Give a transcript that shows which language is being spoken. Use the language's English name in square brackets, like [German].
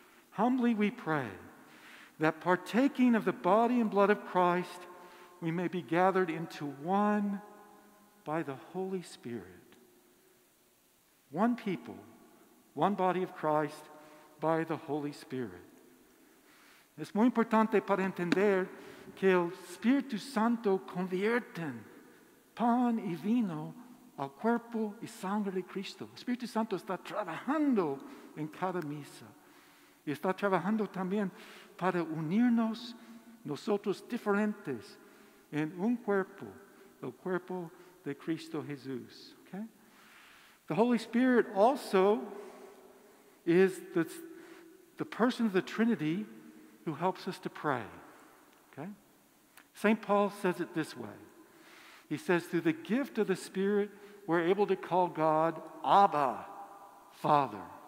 [English] Humbly we pray that partaking of the body and blood of Christ, we may be gathered into one by the Holy Spirit. One people, one body of Christ by the Holy Spirit. [Spanish] Es muy importante para entender que el Espíritu Santo convierte pan y vino al cuerpo y sangre de Cristo. El Espíritu Santo está trabajando en cada misa. Y está trabajando también para unirnos nosotros diferentes en un cuerpo, el cuerpo de Cristo Jesús. [English] Okay? The Holy Spirit also is the person of the Trinity who helps us to pray. Okay? St. Paul says it this way. He says, through the gift of the Spirit, we're able to call God Abba, Father.